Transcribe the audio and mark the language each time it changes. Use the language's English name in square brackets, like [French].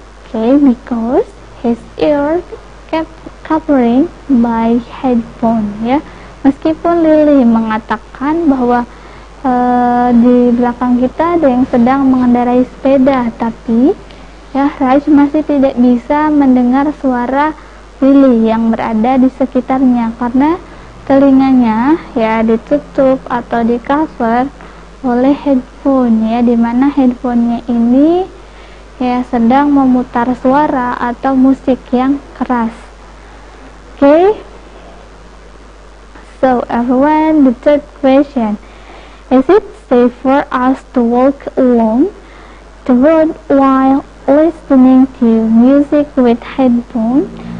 [English] Okay, because his ear kept covering by headphone ya. [Indonesian] Meskipun Lily mengatakan bahwa di belakang kita ada yang sedang mengendarai sepeda, tapi ya Raj masih tidak bisa mendengar suara Lily yang berada di sekitarnya karena telinganya ya ditutup atau di cover oleh headphone ya, di mana headphone-nya ini ya sedang memutar suara atau musik yang keras. [English] Okay, so everyone, the third question: is it safe for us to walk along the road while listening to music with headphone?